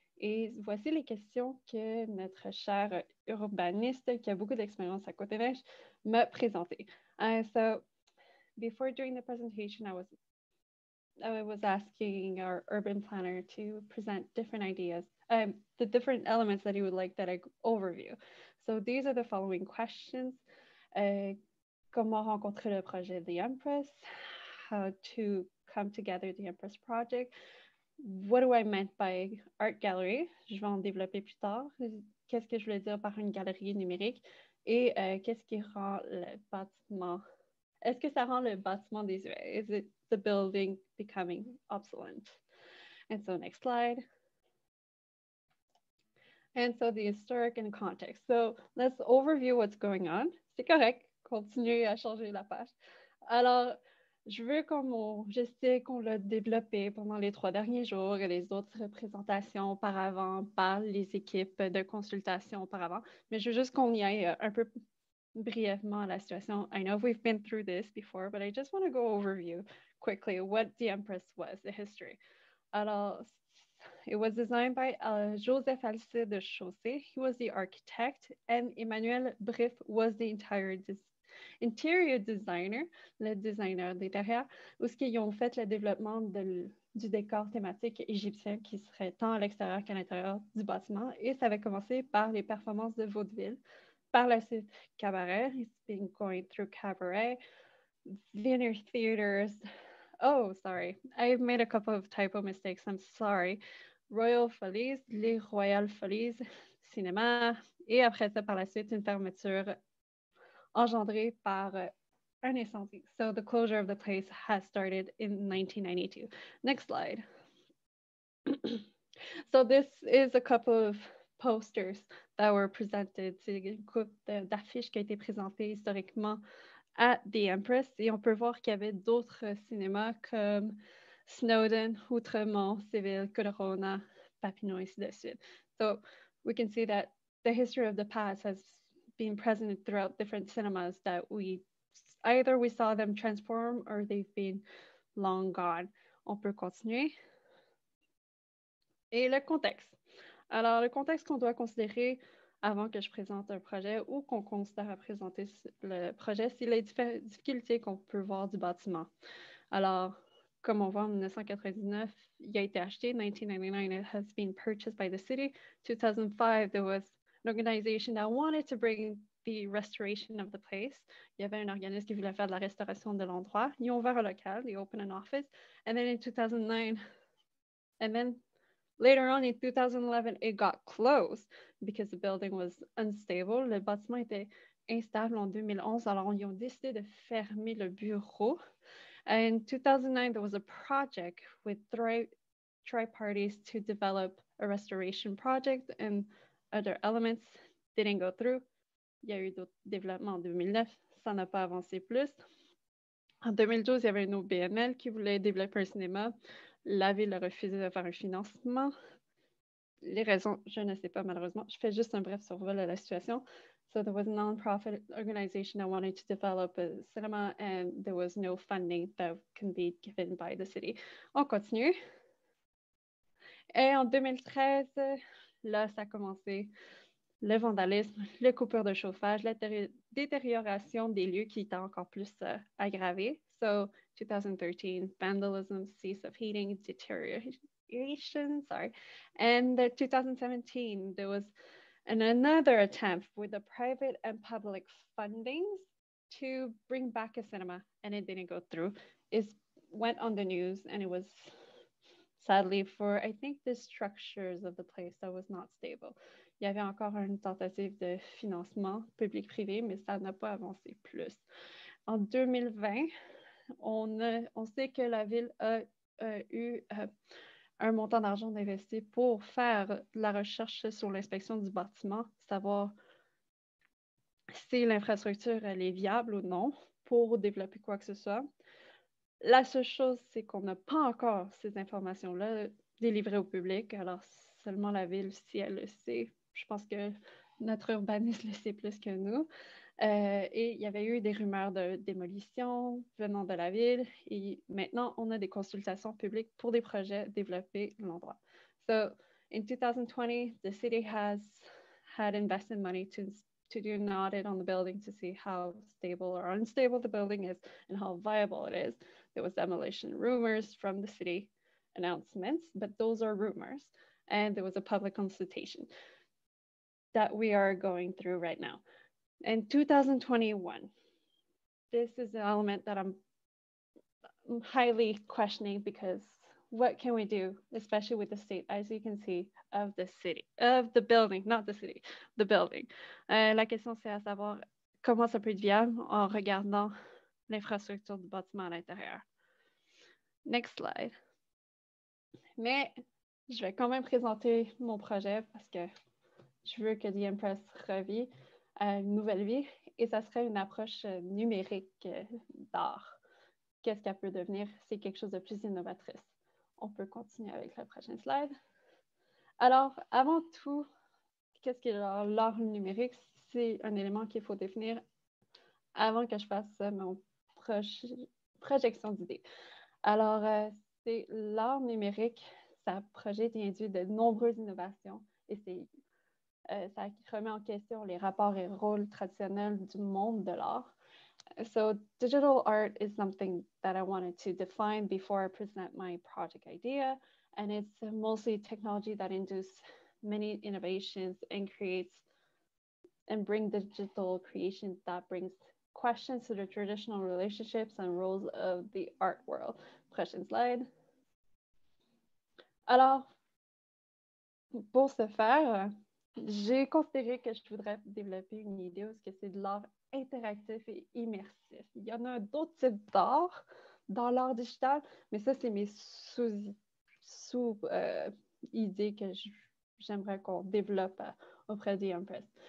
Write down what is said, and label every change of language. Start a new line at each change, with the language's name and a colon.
French: Et voici les questions que notre cher urbaniste, qui a beaucoup d'expérience à Côte-des-Neiges, m'a présentées.
English: So, before doing the presentation, I was asking our urban planner to present different ideas, the different elements that he would like that I overview. So these are the following questions.
French: Comment rencontrer le projet The Empress?
English: How to come together The Empress Project? What do I mean by art gallery?
French: Je vais en développer plus tard. Qu'est-ce que je voulais dire par une galerie numérique? Et qu'est-ce qui rend le bâtiment... Est-ce que ça rend le bâtiment désuet?
English: Is it the building becoming obsolete? And so next slide. And so the historic and context. So let's overview what's going on.
French: C'est correct. Continuez à changer la page. Alors, je sais qu'on l'a développé pendant les trois derniers jours et les autres présentations auparavant par les équipes de consultation auparavant, mais je veux juste qu'on y aille un peu brièvement à la situation.
English: I know we've been through this before, but I just want to go overview quickly what the Empress was, the history. Alors, it was designed by Joseph Alcide de Chaussée. He was the architect, and Emmanuel Briff was the entire design. Interior designer,
French: le designer d'intérieur, où ce qu'ils ont fait le développement du décor thématique égyptien qui serait tant à l'extérieur qu'à l'intérieur du bâtiment. Et ça avait commencé par les performances de vaudeville, par la suite cabaret,
English: it's been going through cabaret, dinner theaters, oh, sorry, I've made a couple of typo mistakes, I'm sorry, royal folies,
French: les royales folies, cinéma, et après ça, par la suite, une fermeture engendré par un incendie.
English: So the closure of the place has started in 1992. Next slide. So this is a couple of posters that were presented.
French: C'est une couple d'affiches qui a été présentée historiquement à The Empress. Et on peut voir qu'il y avait d'autres cinémas comme Snowden, Outremont, Civil, Corona, Papineau, et ainsi de suite.
English: So we can see that the history of the past has been present throughout different cinemas that we saw them transform or they've been long gone.
French: On peut continuer. Et le contexte. Alors, le contexte qu'on doit considérer avant que je présente un projet ou qu'on considère à présenter le projet, c'est les difficultés qu'on peut voir du bâtiment. Alors, comme on voit en 1999, il a été acheté.
English: 1999, it has been purchased by the city. 2005, there was an organization that wanted to bring the restoration of the place.
French: Il y avait un organisme qui voulait faire de la restauration de l'endroit. Ils ont ouvert un local,
English: they opened an office. And then in 2009, and then later on in 2011, it got closed because the building was unstable. Le bâtiment était instable en 2011, alors ils ont décidé de fermer le bureau. And in 2009, there was a project with three parties to develop a restoration project. And other elements didn't go through.
French: Il y a eu d'autres développements en 2009. Ça n'a pas avancé plus. En 2012, il y avait un OBNL qui voulait développer un cinéma. La ville a refusé de faire un financement. Les raisons, je ne sais pas malheureusement. Je fais juste un bref survol à la situation.
English: So there was a non-profit organization that wanted to develop a cinema and there was no funding that can be given by the city.
French: On continue. Et en 2013, là, ça a commencé le vandalisme, les coupures de chauffage, la détérioration des lieux qui étaient encore plus aggravée.
English: So, 2013, vandalism, cease of heating, deterioration, sorry. And the 2017, there was another attempt with the private and public fundings to bring back a cinema, and it didn't go through. It went on the news, and it was... Sadly, for I think the structures of the place that was not stable.
French: Il y avait encore une tentative de financement public-privé, mais ça n'a pas avancé plus. En 2020, on sait que la ville a eu un montant d'argent investi pour faire la recherche sur l'inspection du bâtiment, savoir si l'infrastructure elle est viable ou non pour développer quoi que ce soit. La seule chose, c'est qu'on n'a pas encore ces informations-là délivrées au public. Alors, seulement la ville, si elle le sait, je pense que notre urbaniste le sait plus que nous. Et il y avait eu des rumeurs de démolition venant de la ville. Et maintenant, on a des consultations publiques pour des projets développés dans l'endroit.
English: So, in 2020, the city has had invested money to do an audit on the building to see how stable or unstable the building is and how viable it is. There was demolition rumors from the city announcements, but those are rumors. And there was a public consultation that we are going through right now. In 2021, this is an element that I'm highly questioning, because what can we do, especially with the state, as you can see, of the city, of the building, not the city, the building.
French: La question, c'est à savoir comment ça peut être viable en regardant l'infrastructure du bâtiment à l'intérieur.
English: Next slide.
French: Mais je vais quand même présenter mon projet parce que je veux que The Empress revive à une nouvelle vie, et ça serait une approche numérique d'art. Qu'est-ce qu'elle peut devenir? C'est quelque chose de plus innovatrice. On peut continuer avec la prochaine slide. Alors, avant tout, qu'est-ce que l'art numérique? C'est un élément qu'il faut définir avant que je fasse mon projection d'idées. Alors, c'est l'art numérique, ça projette et induit de nombreuses innovations, et c'est ça remet en question les rapports et rôles traditionnels du monde de l'art.
English: So, digital art is something that I wanted to define before I present my project idea, and it's mostly technology that induces many innovations and creates and brings digital creation that brings questions to the traditional relationships and roles of the art world.
French: Prochaine slide. Alors, pour ce faire, j'ai considéré que je voudrais développer une idée où c'est de l'art interactif et immersif. Il y en a d'autres types d'art dans l'art digital, mais ça, c'est mes idées que j'aimerais qu'on développe auprès de Empress.